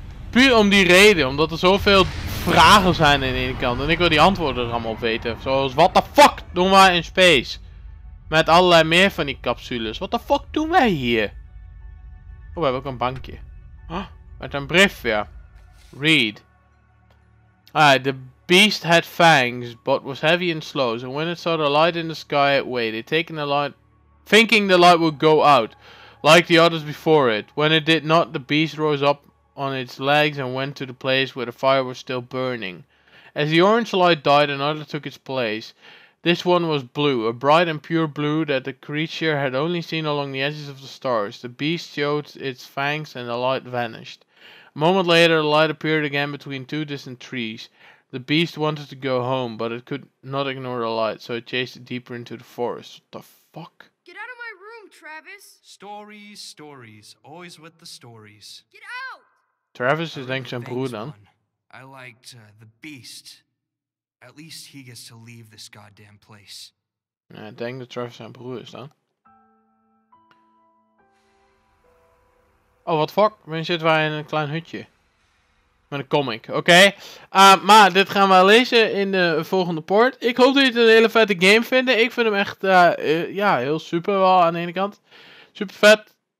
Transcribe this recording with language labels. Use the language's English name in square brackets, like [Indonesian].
[Dutch] Puur om die reden, omdat er zoveel vragen zijn aan de ene kant. En ik wil die antwoorden er allemaal op weten. Zoals, [English] what the fuck [Dutch] doen wij in space? Met allerlei meer van die capsules. [English] What the fuck [Dutch] doen wij hier? Oh, we hebben ook een bankje. Huh? Met een brief, ja. Read. [English] Alright, the beast had fangs, but was heavy and slow. So when it saw the light in the sky, it waited, taking the light, thinking the light would go out, like the others before it. When it did not, the beast rose up on its legs and went to the place where the fire was still burning. As the orange light died, another took its place. This one was blue, a bright and pure blue that the creature had only seen along the edges of the stars. The beast showed its fangs and the light vanished. A moment later, the light appeared again between two distant trees. The beast wanted to go home, but it could not ignore the light, so it chased it deeper into the forest. What the fuck? Get out of my room, Travis! Stories, stories, always with the stories. Get out! [Dutch] Travis is denk zijn broer dan. [English] I liked the beast. At least he gets to leave this goddamn place. [Dutch] Ja, ik denk dat Travis zijn broer is dan. [English] Oh, what the fuck? [Dutch] We zitten wij in een klein hutje. Met een comic, oké. Okay. Maar dit gaan we lezen in de volgende port. Ik hoop dat jullie het een hele vette game vinden. Ik vind hem echt heel super wel aan de ene kant. Super vet.